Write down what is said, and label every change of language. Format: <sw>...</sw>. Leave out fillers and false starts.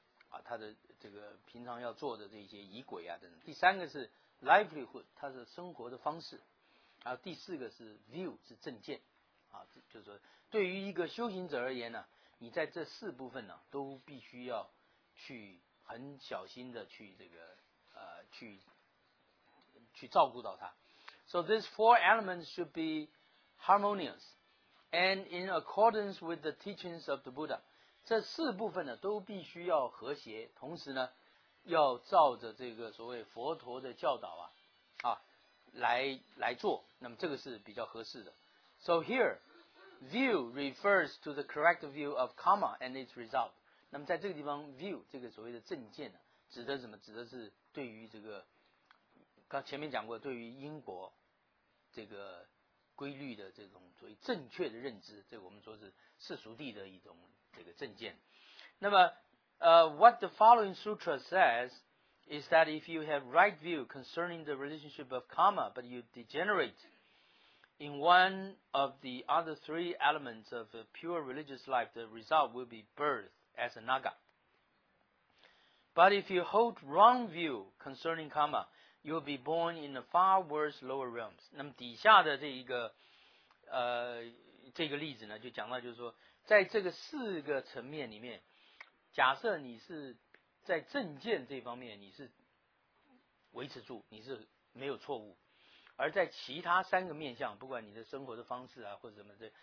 <zh>啊，他的这个平常要做的这些仪轨啊等等。第三个是 livelihood， 他的生活的方式。然后第四个是 view， 是证件。啊，就是说对于一个修行者而言呢，你在这四部分呢都必须要去很小心的去这个去照顾到它。</zh> <en>So these four elements should be harmonious and in accordance with the teachings of the Buddha.</en> <zh>这四部分呢都必须要和谐，同时呢要照着这个所谓佛陀的教导啊来做，那么这个是比较合适的。</zh> <en>So here view refers to the correct view of karma and its result。</en> <zh>那么在这个地方 view 这个所谓的正见呢，指的什么？指的是对于这个刚前面讲过对于因果这个规律的这种所谓正确的认知，这个我们说是世俗地的一种这个证件。那么</zh> <en>what the following sutra says is that if you have right view concerning the relationship of karma but you degenerate in one of the other three elements of a pure religious life, the result will be birth as a naga. But if you hold wrong view concerning karma, you will be born in the far worse lower realms.</en> <zh>那么底下的这个例子呢，就讲到就是说在这个四个层面里面，假设你是在正见这方面你是维持住，你是没有错误，而在其他三个面向，不管你的生活的方式啊或者什么，</zh>